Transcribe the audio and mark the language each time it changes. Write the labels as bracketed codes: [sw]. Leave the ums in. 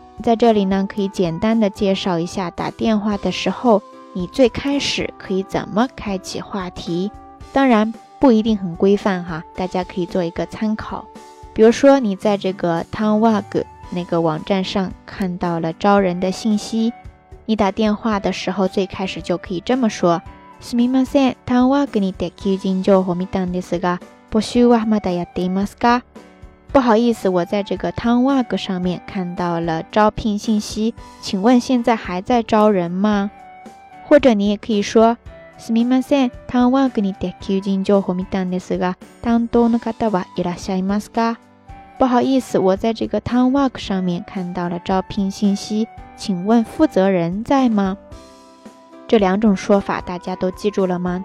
[zh] 在这里呢，可以简单的介绍一下打电话的时候，你最开始可以怎么开启话题。当然，不一定很规范哈，大家可以做一个参考。比如说，你在这个 Town Web 那个网站上看到了招人的信息，你打电话的时候最开始就可以这么说。 [ja] すみません、タウンワークにて求人情報見たんですが、募集はまだやっていますか？ [zh] 不好意思，我在这个タウンワーク上面看到了招聘信息，请问现在还在招人吗？或者你也可以说， [ja] すみません、タウンワークにて求人情報見たんですが、担当の方はいらっしゃいますか？ [zh] 不好意思，我在这个タウンワーク上面看到了招聘信息，请问负责人在吗？这两种说法大家都记住了吗？